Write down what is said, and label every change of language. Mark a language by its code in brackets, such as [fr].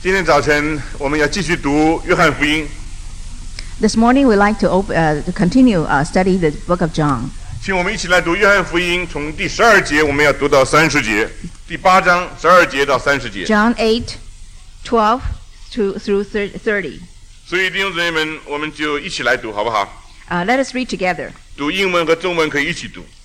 [zh] 今天早晨我们要继续读约翰福音。 [en] This morning we like to continue study the book of John. [zh] 请我们一起来读约翰福音，从第十二节我们要读到三十节，第八章十二节到三十节。 [en] John 8:12-30. [zh] 所以弟兄姊妹们，我们就一起来读好不好？ [en] Let us read together. [zh] 读英文和中文可以一起读。